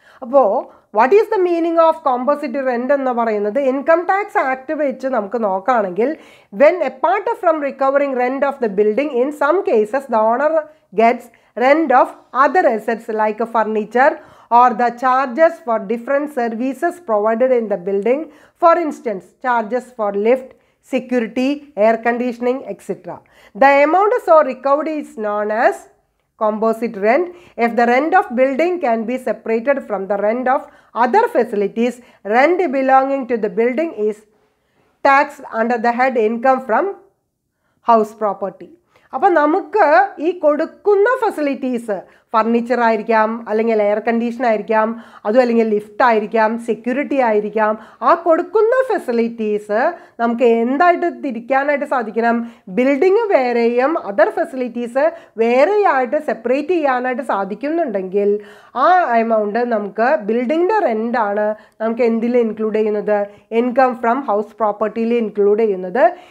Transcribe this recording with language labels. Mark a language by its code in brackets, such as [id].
[en] അപ്പോൾ what is the meaning of composite rent [ml] എന്ന് പറയുന്നത്, ഇൻകം ടാക്സ് ആക്ട് വെച്ച് നമുക്ക് നോക്കുകയാണെങ്കിൽ [en] When apart from recovering rent of the building in some cases the owner gets rent of other assets like furniture or the charges for different services provided in the building, for instance charges for lift, security, air conditioning etcetera. The amount so recovered is known as composite rent. If the rent of building can be separated from the rent of other facilities, rent belonging to the building is taxed under the head income from house property. [ml] അപ്പോൾ നമുക്ക് ഈ കൊടുക്കുന്ന facilities furniture ആയിരിക്കാം, അല്ലെങ്കിൽ air condition ആയിരിക്കാം, അതും അല്ലെങ്കിൽ lift ആയിരിക്കാം, സെക്യൂരിറ്റി ആയിരിക്കാം, ആ കൊടുക്കുന്ന ഫെസിലിറ്റീസ് നമുക്ക് എന്തായിട്ട് തിരിക്കാനായിട്ട് സാധിക്കണം, ബിൽഡിംഗ് വേറെയും അതർ ഫെസിലിറ്റീസ് വേറെയായിട്ട് സെപ്പറേറ്റ് ചെയ്യാനായിട്ട് സാധിക്കുന്നുണ്ടെങ്കിൽ ആ എമൗണ്ട് നമുക്ക് ബിൽഡിങ്ങിൻ്റെ റെൻ്റാണ് നമുക്ക് എന്തിൽ ഇൻക്ലൂഡ് ചെയ്യുന്നത്, ഇൻകം ഫ്രം ഹൗസ് പ്രോപ്പർട്ടിയിൽ ഇൻക്ലൂഡ് ചെയ്യുന്നത്.